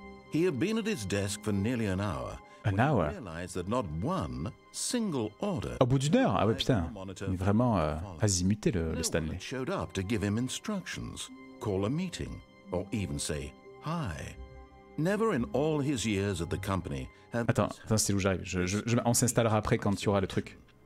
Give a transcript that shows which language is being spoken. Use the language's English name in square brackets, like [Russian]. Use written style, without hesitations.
[English] He had been at his desk for nearly an hour. An hour. Realized that not one single order. [French] Au bout d'une heure, ah ouais putain, vraiment azimuté le Stanley. [English] No one showed up to give him instructions, call a meeting, or even say hi. Never in all his years at the company. [French] Attends, c'est où j'arrive. On s'installera après quand tu auras le truc.